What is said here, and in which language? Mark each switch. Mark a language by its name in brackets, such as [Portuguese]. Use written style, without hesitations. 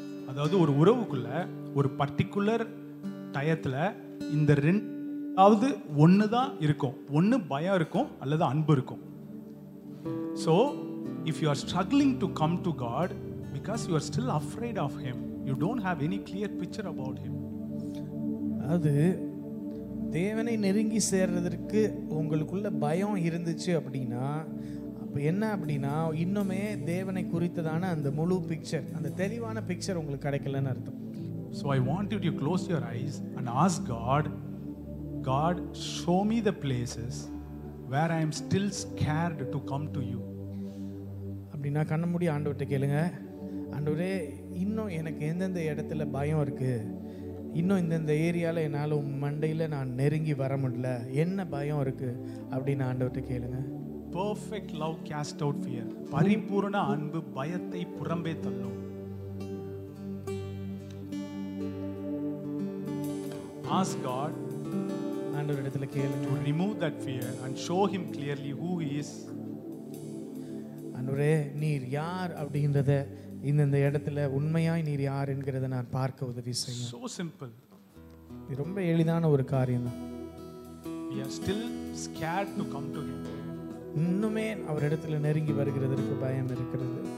[Tamil] அதாவது ஒரு உறவுக்குள்ள ஒரு பர்టిక్యులர் டயத்துல இந்த ரெண்டாவது ஒன்னு தான் இருக்கும் ஒன்னு பயம் இருக்கும் அல்லது அன்பு இருக்கும் [English] so if you are struggling to come to God because you are still afraid of him you don't have any clear picture about him [Tamil] அது தேவனை நெருங்கி சேர்றதுக்கு உங்களுக்குள்ள பயம் இருந்துச்சு அப்படின்னா அப்ப என்ன அப்படின்னா இன்னுமே தேவனை குறித்ததான அந்த முழு பிக்சர் அந்த தெளிவான பிக்சர் உங்களுக்கு கிடைக்கலன்னு அர்த்தம் [English] So I want you to close your eyes and ask God show me the places where I am still scared to come to you. [Tamil] அப்படினா கண்ண மூடி ஆண்டவர்ட்ட கேளுங்க. ஆண்டவரே இன்னும் எனக்கு எந்தெந்த இடத்துல பயம் இருக்கு? இன்னும் இந்த ஏரியால என்னால மண்டையில நான் நெருங்கி வர முடியல. என்ன பயம் இருக்கு? அப்படினா ஆண்டவர்ட்ட கேளுங்க. [English] Perfect love cast out fear. [Tamil] பரிபூரண அன்பு பயத்தை புறம்பே தள்ளும். [English] Ask God [Tamil] andor edathile kelu [English] to remove that fear and show him clearly who he is and [Tamil] ஆண்டவரே நீர் யார் அப்படின்றத இந்த இடத்துல உண்மையாய் நீர் யார் என்கிறத நான் பார்க்க உதவி செய்யும். [English] So simple. [Tamil] இது ரொம்ப எளிதான ஒரு காரியம் [English] தான். We are still scared to come to him. [Tamil] இன்னுமே அவர் இடத்துல நெருங்கி வருகிறதற்கு பயம் இருக்கிறது.